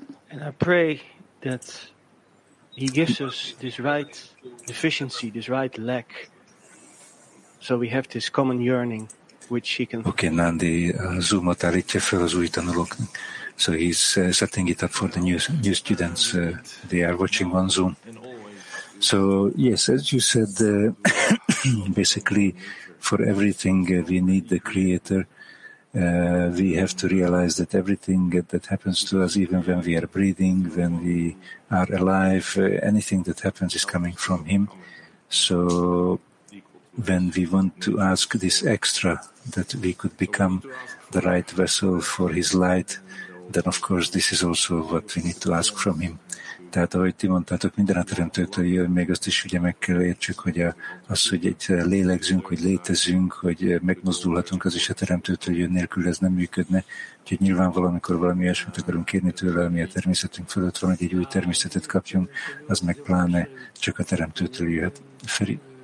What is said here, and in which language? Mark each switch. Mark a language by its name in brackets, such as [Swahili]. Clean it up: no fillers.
[English] And I pray that he gives us this right deficiency, this right lack, so we have this common yearning which he can... [Hungarian] Okay, Nandi, zoomot állítja fel az új tanulóknak. [English] So he's setting it up for the new students. They are watching on Zoom. So yes, as you said, basically for everything we need the Creator. We have to realize that everything that happens to us, even when we are breathing, when we are alive, anything that happens is coming from Him. So when we want to ask this extra, that we could become the right vessel for His light, then, of course, this is also what we need to ask from Him. [Hungarian] Tehát, ahogy ti mondtátok, minden a Teremtőtől jön, még azt is ugye meg kell értsük, hogy az, hogy egy lélegzünk, hogy létezünk, hogy megmozdulhatunk, az is a Teremtőtől jön, nélkül ez nem működne. Úgyhogy nyilván valamikor valami olyasmit akarunk kérni tőle, ami a természetünk fölött van, hogy egy új természetet kapjunk, az meg pláne csak a Teremtőtől jöhet. Feri.